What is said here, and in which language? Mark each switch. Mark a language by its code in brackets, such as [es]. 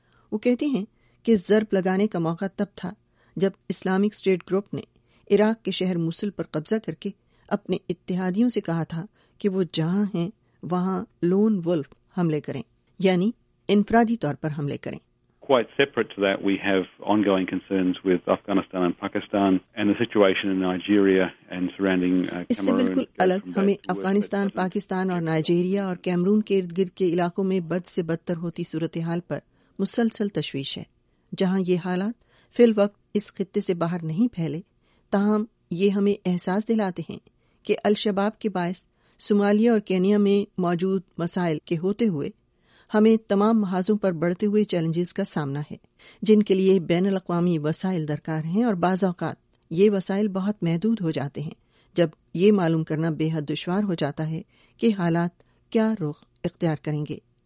[ur] وہ کہتے ہیں کہ ضرب لگانے کا موقع تب تھا جب اسلامک اسٹیٹ گروپ نے عراق کے شہر موصل پر قبضہ کر کے اپنے اتحادیوں سے کہا تھا کہ وہ جہاں ہیں وہاں لون ولف حملے کریں, یعنی انفرادی طور پر حملے کریں. [en] Quite separate to that, we have ongoing concerns with Afghanistan and Pakistan and the situation in Nigeria and surrounding Cameroon. [ur] اس سے بالکل الگ, ہمیں افغانستان, پاکستان اور نائجیریا اور کیمرون کے ارد گرد کے علاقوں میں بد سے بدتر ہوتی صورتحال پر مسلسل تشویش ہے. جہاں یہ حالات فی الوقت اس خطے سے باہر نہیں پھیلے, تاہم یہ ہمیں احساس دلاتے ہیں کہ الشباب کے باعث صومالیہ اور کینیا میں موجود مسائل کے ہوتے ہوئے ہمیں تمام محاذوں پر بڑھتے ہوئے چیلنجز کا سامنا ہے جن کے لیے بین الاقوامی وسائل درکار ہیں, اور بعض اوقات یہ وسائل بہت محدود ہو جاتے ہیں جب یہ معلوم کرنا بے حد دشوار ہو جاتا ہے کہ حالات کیا رخ اختیار کریں گے.